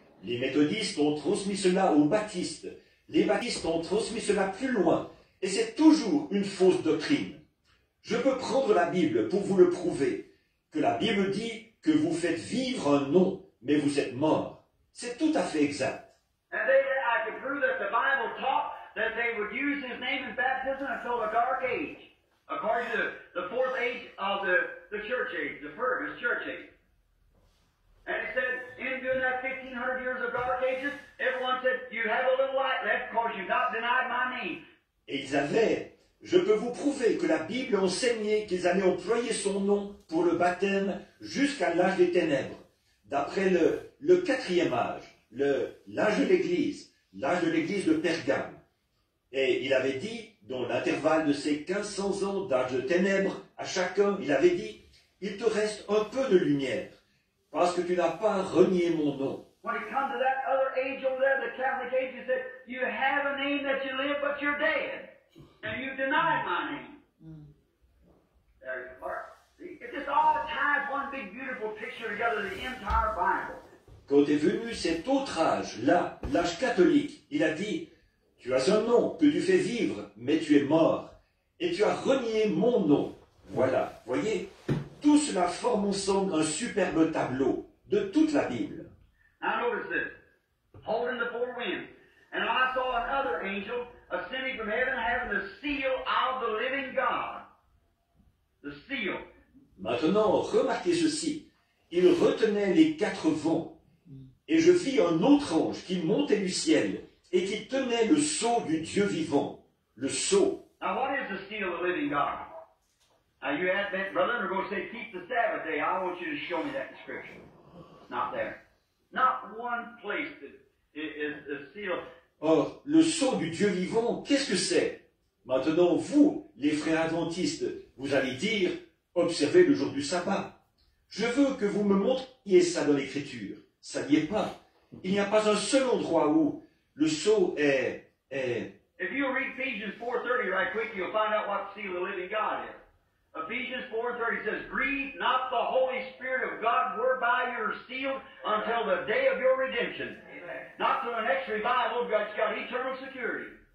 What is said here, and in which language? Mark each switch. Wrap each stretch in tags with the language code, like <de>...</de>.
<fr>Les méthodistes ont transmis cela aux baptistes. Les baptistes ont transmis cela plus loin. Et c'est toujours une fausse doctrine. Je peux prendre la Bible pour vous le prouver. Que la Bible dit que vous faites vivre un nom, mais vous êtes mort. C'est tout à fait exact.</fr> <en>And they, I can prove that the Bible taught that they would use his name in baptism until the dark age. According to the fourth age of the church age, the Fergus church age. And it said, in during that 1500 years of dark ages, everyone said, you have a little light left because you've not denied my name.</en> <fr>Et ils avaient, je peux vous prouver que la Bible enseignait qu'ils allaient employer son nom pour le baptême jusqu'à l'âge des ténèbres, d'après le quatrième âge, l'âge de l'Église de Pergame. Et il avait dit, dans l'intervalle de ces 1500 ans d'âge de ténèbres, à chacun, il avait dit, il te reste un peu de lumière, parce que tu n'as pas renié mon nom.</fr> <en>When it comes to that other age over there, the Catholic age, you said, you have a name that you live, but you're dead. And you deny my name. There you are. It just all ties one big beautiful picture together, the entire Bible.</en> <fr>Quand est venu cet autre âge, là, l'âge catholique, il a dit, tu as un nom que tu fais vivre, mais tu es mort. Et tu as renié mon nom. Voilà, voyez, tout cela forme ensemble un superbe tableau de toute la Bible.</fr> <en>Now notice this, holding the four winds. And I saw another angel ascending from heaven having the seal of the living God. The seal.</en> <fr>Maintenant, remarquez ceci. Il retenait les quatre vents. Et je vis un autre ange qui montait du ciel et qui tenait le sceau du Dieu vivant. Le sceau.</fr> <en>Now what is the seal of the living God? Now you ask that brother and we're going to say keep the Sabbath day. I want you to show me that in Scripture. Not there. Not one place that is the seal.</en> <fr>Or, le sceau du Dieu vivant, qu'est-ce que c'est? Maintenant, vous, les frères adventistes, vous allez dire, observez le jour du sabbat. Je veux que vous me montriez ça dans l'Écriture. Saviez pas. Il n'y a pas un seul endroit où le sceau est...</fr> <en>If you read Ephesians 4:30 right quick, you'll find out what the seal of the living God is. Ephesians 4:30 says, grieve not the Holy Spirit of God whereby you're sealed until the day of your redemption. Amen. Not to an extra revival, but you've got eternal security.</en>